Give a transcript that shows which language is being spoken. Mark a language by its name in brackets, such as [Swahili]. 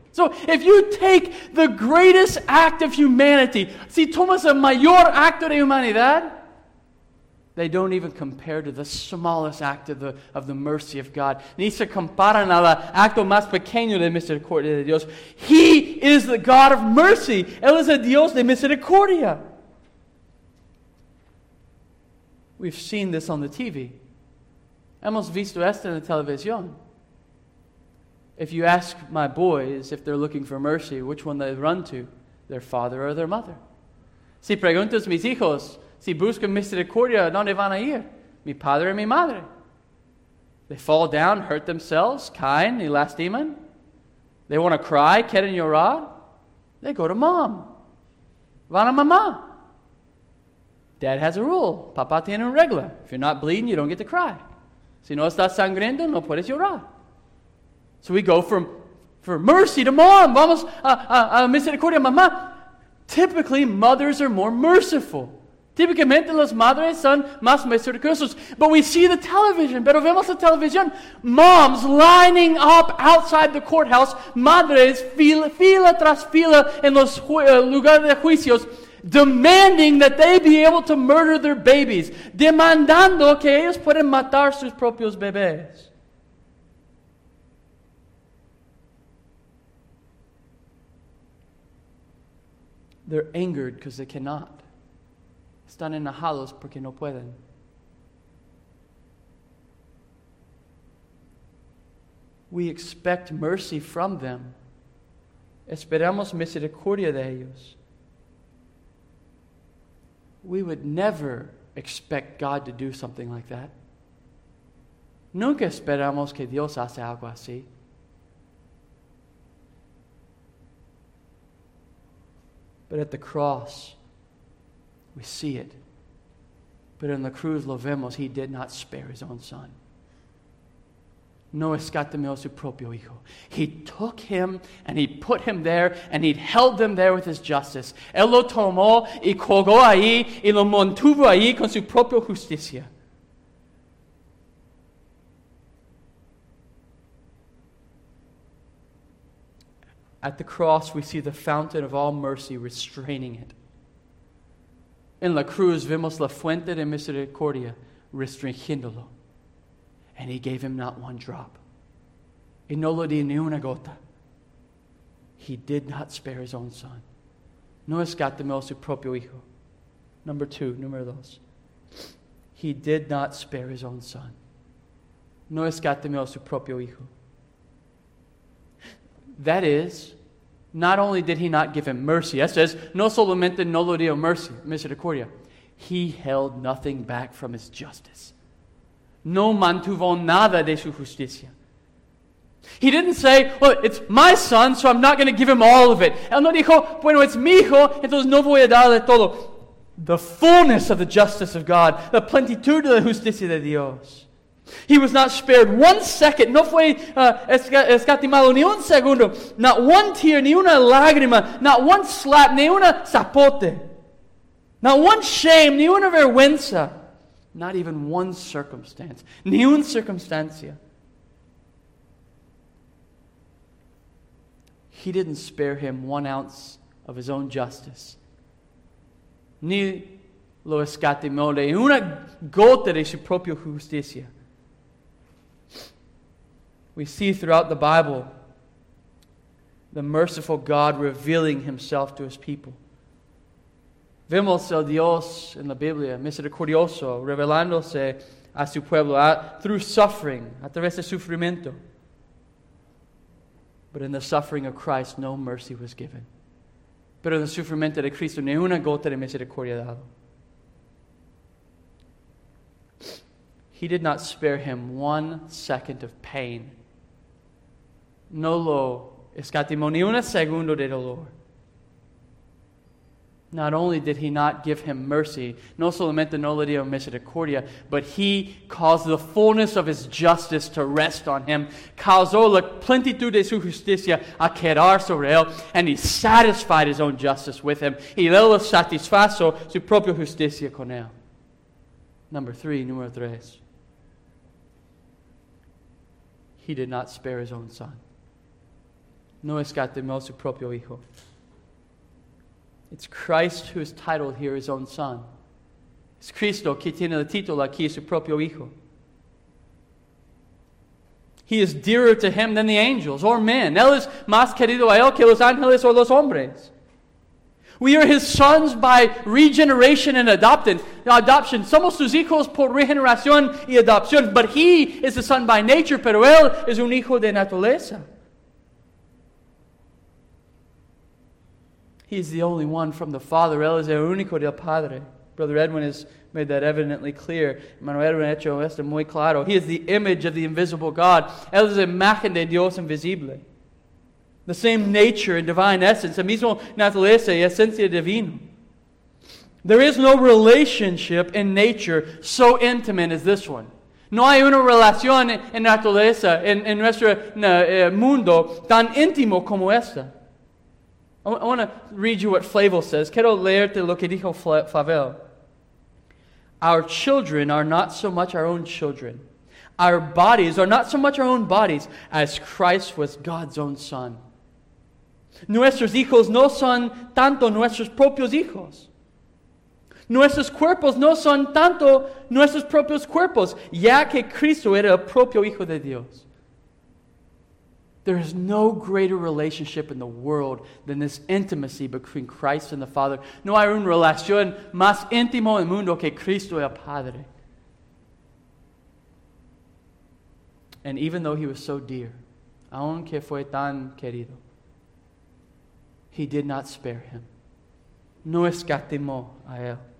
[English] So if you take the greatest act of humanity, [Spanish] si tomas el mayor acto de humanidad, [English] they don't even compare to the smallest act of the mercy of God. [Spanish] Ni se comparan al acto más pequeño de misericordia de Dios. [English] He is the God of mercy. [Spanish] Él es el Dios de misericordia. [English] We've seen this on the TV. [Spanish] Hemos visto esto en la televisión. [English] If you ask my boys if they're looking for mercy, which one they run to, their father or their mother. [Spanish] Si preguntas mis hijos, si buscan misericordia, ¿dónde van a ir? Mi padre y mi madre. [English] They fall down, hurt themselves, [Spanish] caen y lastiman. [English] They want to cry, [Spanish] quieren llorar. [English] They go to mom. [Spanish] Van a mamá. [English] Dad has a rule. [Spanish] Papá tiene una regla. [English] If you're not bleeding, you don't get to cry. [Spanish] Si no estás sangrando, no puedes llorar. [English] So we go from mercy to mom. [Spanish] Vamos a misericordia, mamá. [English] Typically, mothers are more merciful. [Spanish] Típicamente las madres son más misericordiosas. [English] But we see the television. [Spanish] Pero vemos la televisión. [English] Moms lining up outside the courthouse. [Spanish] Madres fila tras fila en los lugares de juicios. [English] Demanding that they be able to murder their babies. [Spanish] Demandando que ellos puedan matar sus propios bebés. [English] They're angered because they cannot. [Spanish] Están enojados porque no pueden. [English] We expect mercy from them. [Spanish] Esperamos misericordia de ellos. [English] We would never expect God to do something like that. [Spanish] Nunca esperamos que Dios hace algo así. [English] But at the cross, we see it. But in the [Spanish] cruz lo vemos, [English] he did not spare his own son. [Spanish] No escatimó su propio hijo. [English] He took him and he put him there and he held them there with his justice. [Spanish] Él lo tomó y colgó ahí y lo mantuvo ahí con su propia justicia. [English] At the cross, we see the fountain of all mercy restraining it. [Spanish] En la cruz vemos la fuente de misericordia restringiéndolo. [English] And he gave him not one drop. [Spanish] Y no lo dio ni una gota. [English] He did not spare his own son. [Spanish] No escatimó su propio hijo. [English] Number two, [Spanish] número dos. [English] He did not spare his own son. [Spanish] No escatimó su propio hijo. [English] That is, not only did he not give him mercy, that says, [Spanish] no solamente no lo dio mercy, misericordia. [English] He held nothing back from his justice. [Spanish] No mantuvo nada de su justicia. [English] He didn't say, well, it's my son, so I'm not going to give him all of it. [Spanish] Él no dijo, bueno, es mi hijo, entonces no voy a darle todo. [English] The fullness of the justice of God, the [Spanish] plenitud de la justicia de Dios. [English] He was not spared one second, [Spanish] no fue escatimado ni un segundo, [English] not one tear, [Spanish] ni una lágrima, [English] not one slap, [Spanish] ni una zapote, [English] not one shame, [Spanish] ni una vergüenza, [English] not even one circumstance, [Spanish] ni una circunstancia. [English] He didn't spare him one ounce of his own justice. [Spanish] Ni lo escatimó de una gota de su propia justicia. [English] We see throughout the Bible the merciful God revealing himself to his people. [Spanish] Vemos el Dios en la Biblia, misericordioso, revelándose a su pueblo [English] through suffering, [Spanish] a través de sufrimiento. [English] But in the suffering of Christ, no mercy was given. [Spanish] Pero en el sufrimiento de Cristo, ni una gota de misericordia dado. [English] He did not spare him one second of pain. [Spanish] No lo escatimó ni un segundo de dolor. [English] Not only did he not give him mercy, [Spanish] no solamente no le dio misericordia, [English] but he caused the fullness of his justice to rest on him. [Spanish] Causó la plenitud de su justicia a quedar sobre él, [English] and he satisfied his own justice with him. [Spanish] Y él lo satisfizo su propia justicia con él. Número tres. [English] He did not spare his own son. [Spanish] No escatimó su propio hijo. [English] It's Christ who is titled here his own son. It's Cristo [Spanish] que tiene el título aquí su propio hijo. [English] He is dearer to him than the angels or men. [Spanish] Él es más querido a él que los ángeles o los hombres. [English] We are his sons by regeneration and adoption. [Spanish] Somos sus hijos por regeneración y adopción. [English] But he is a son by nature, [Spanish] pero él es un hijo de naturaleza. [English] He is the only one from the Father. [Spanish] Él es el único del Padre. [English] Brother Edwin has made that evidently clear. [Spanish] Manuel Edwin ha hecho esto muy claro. [English] He is the image of the invisible God. [Spanish] Él es imagen de Dios invisible. [English] The same nature and divine essence. [Spanish] El mismo naturaleza y esencia divina. [English] There is no relationship in nature so intimate as this one. [Spanish] No hay una relación en naturaleza, en nuestro mundo, tan íntimo como esta. [English] I want to read you what Flavel says. [Spanish] Quiero leerte lo que dijo Flavel. [English] Our children are not so much our own children. Our bodies are not so much our own bodies as Christ was God's own son. [Spanish] Nuestros hijos no son tanto nuestros propios hijos. Nuestros cuerpos no son tanto nuestros propios cuerpos, ya que Cristo era el propio hijo de Dios. [English] There is no greater relationship in the world than this intimacy between Christ and the Father. [Spanish] No hay una relación más íntimo en el mundo que Cristo y el Padre. [English] And even though he was so dear, [Spanish] aunque fue tan querido, [English] he did not spare him. [Spanish] No escatimó a él.